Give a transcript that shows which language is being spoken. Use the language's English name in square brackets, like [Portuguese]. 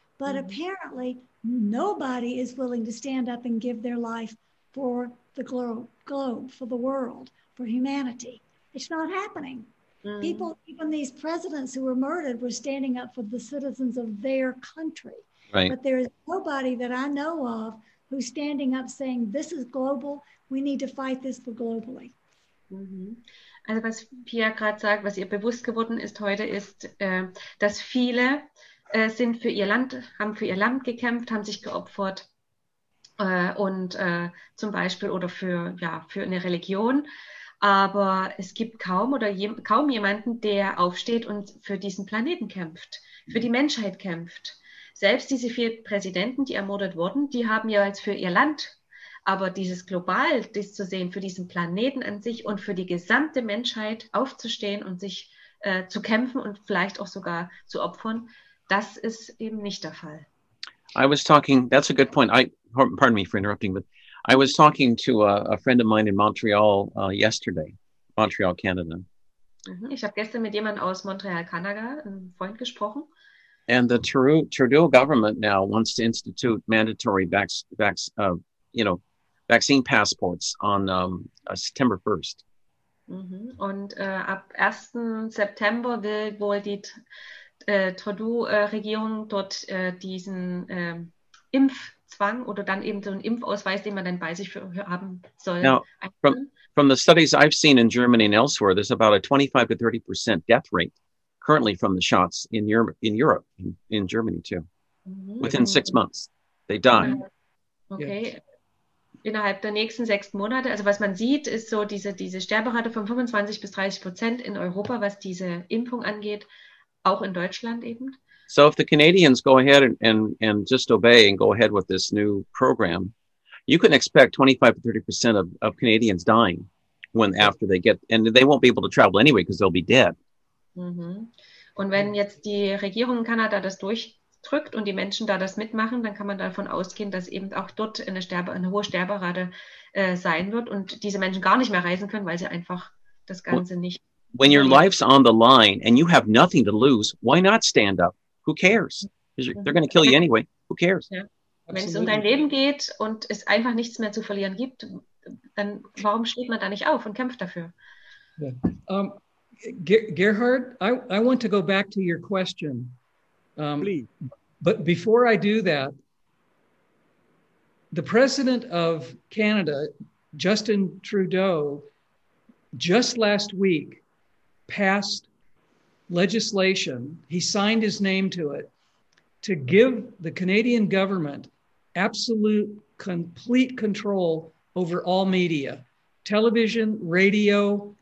[English] But apparently nobody is willing to stand up and give their life for the globe, for the world, for humanity. It's not happening. People, even these presidents who were murdered, were standing up for the citizens of their country. Right. But there is nobody that I know of who's standing up saying, this is global, we need to fight this for globally. [German] Also was Pia gerade sagt, was ihr bewusst geworden ist heute, ist, dass viele sind für ihr Land, haben für ihr Land gekämpft, haben sich geopfert. Und zum Beispiel oder für, ja, für eine Religion. Aber es gibt kaum oder kaum jemanden, der aufsteht und für diesen Planeten kämpft, für die Menschheit kämpft. Selbst diese vier Präsidenten, die ermordet wurden, die haben ja jetzt für ihr Land. Aber dieses global, das zu sehen, für diesen Planeten an sich und für die gesamte Menschheit aufzustehen und sich zu kämpfen und vielleicht auch sogar zu opfern, das ist eben nicht der Fall. [English] I was talking, that's a good point. Pardon me for interrupting, but I was talking to a friend of mine in Montreal yesterday, Montreal, Canada. [German] Ich habe gestern mit jemandem aus Montreal, Kanada, einem Freund gesprochen. [English] And the Trudeau government now wants to institute mandatory vaccine passports on September 1st. [German] Und ab 1. September will wohl die Trudeau-Regierung dort diesen Impfzwang oder dann eben so einen Impfausweis, den man dann bei sich für haben soll, [English] Now, from the studies I've seen in Germany and elsewhere, there's about a 25 to 30% death rate currently from the shots in Europe, in Germany too. Within 6 months, they die. [German] Okay. Innerhalb der nächsten 6 Monate. Also was man sieht, ist so diese Sterberate von 25 bis 30% in Europa, was diese Impfung angeht, auch in Deutschland eben. [English] So if the Canadians go ahead and just obey and go ahead with this new program, you can expect 25 to 30% of Canadians dying when after they get, and they won't be able to travel anyway because they'll be dead. [German] Und wenn jetzt die Regierung in Kanada das durchdrückt und die Menschen da das mitmachen, dann kann man davon ausgehen, dass eben auch dort eine hohe Sterberate sein wird und diese Menschen gar nicht mehr reisen können, weil sie einfach das Ganze nicht [English] When your [German] überleben. [English] life's on the line and you have nothing to lose, why not stand up? Who cares? They're going to kill you anyway. Who cares? [German] Ja. Wenn es um dein [English] Absolutely. [German] Leben geht und es einfach nichts mehr zu verlieren gibt, dann warum steht man da nicht auf und kämpft dafür? [English] Yeah. Gerhard, I want to go back to your question. Please. But before I do that, the president of Canada, Justin Trudeau, just last week passed legislation, he signed his name to it, to give the Canadian government absolute complete control over all media, television, radio,